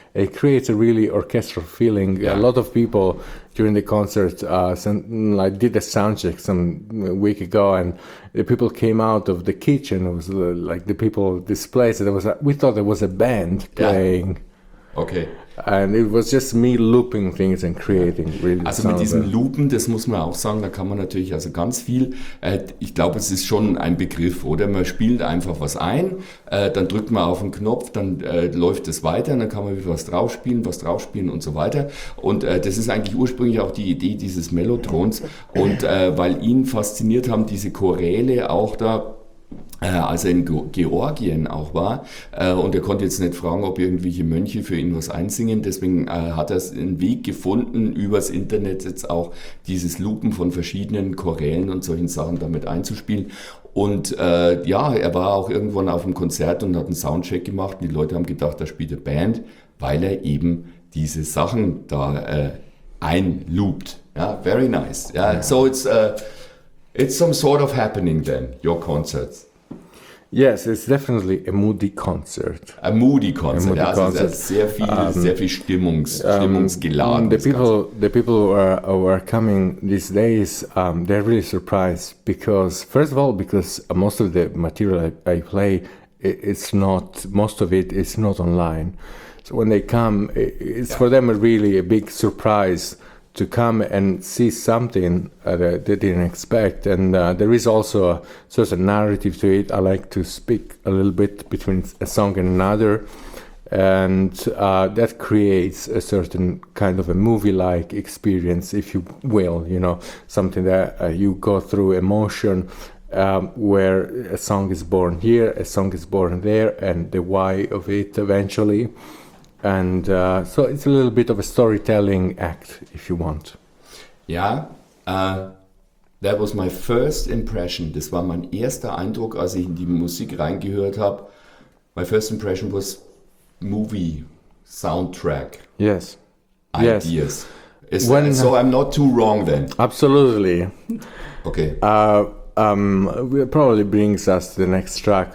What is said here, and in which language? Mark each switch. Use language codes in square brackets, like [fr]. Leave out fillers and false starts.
[en] It creates a really orchestral feeling. Yeah. A lot of people during the concert, I did a sound check some week ago and the people came out of the kitchen. It was like the people displaced. We thought there was a band playing. Okay. And it was just me looping things and creating really. [de] Also mit diesem Loopen, das muss man auch sagen, da kann man natürlich also ganz viel, ich glaube, es ist schon ein Begriff, oder? Man spielt einfach was ein, dann drückt man auf einen Knopf, dann läuft es weiter, dann kann man wieder was draufspielen und so weiter. Und das ist eigentlich ursprünglich auch die Idee dieses Mellotrons. Und weil ihn fasziniert haben, diese Choräle auch da, als er in Georgien auch war, und er konnte jetzt nicht fragen, ob irgendwelche Mönche für ihn was einsingen, deswegen hat er einen Weg gefunden, übers Internet jetzt auch dieses Loopen von verschiedenen Chorälen und solchen Sachen damit einzuspielen. Und er war auch irgendwann auf einem Konzert und hat einen Soundcheck gemacht und die Leute haben gedacht, da spielt eine Band, weil er eben diese Sachen da einloopt. [en] Ja, very nice. Ja, so it's some sort of happening then, your concerts. Yes, it's definitely a moody concert. A moody concert. A moody concert. [de] Also sehr viel Stimmungsgeladen. [en] The people who are coming these days, they're really surprised because, first of all, because most of the material I play, it's not online. So when they come, it's for them really a big surprise to come and see something that they didn't expect. And there is also a sort of narrative to it. I like to speak a little bit between a song and another. And that creates a certain kind of a movie-like experience, if you will, you know, something that you go through emotion, where a song is born here, a song is born there, and the why of it eventually. And so it's a little bit of a storytelling act, if you want. Yeah, that was my first impression. [de] Das war mein erster Eindruck, als ich in die Musik reingehört habe. [en] My first impression was movie soundtrack. Yes. Ideas. Yes. So I'm not too wrong then. Absolutely. Okay. It probably brings us to the next track.